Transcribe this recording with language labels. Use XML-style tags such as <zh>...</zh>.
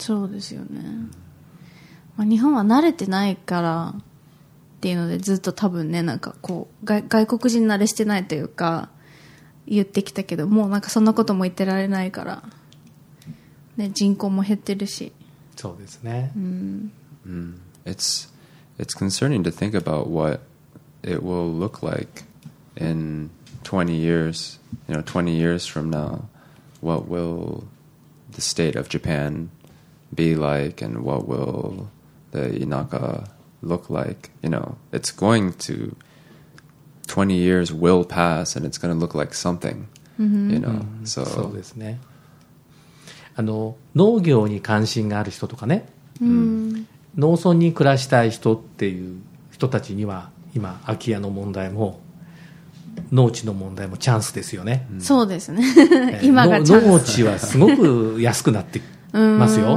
<ja>そうですよね、まあ、日本は慣れてないからっていうので、ずっと多分ね、なんかこう外国人慣れしてないというか言ってきたけど、もうなんかそんなことも言ってられないから、ね、人口も減ってるし。そうですね、</ja> <en>It's concerning to think about what it will look likein 20 years, you know, 20 years from now, what will the state of Japan be like, and what will the Inaka look like? You know, it's going to, 20 years will pass, and it's going to look like something, you know, so.</en> <ja>そうですね。農業に関心がある人とかね、農村に暮らしたい人っていう人たちには、今空き家の問題も農地の問題もチャンスですよね。そうですね。今がチャンス。農地はすごく安くなってますよ。</ja>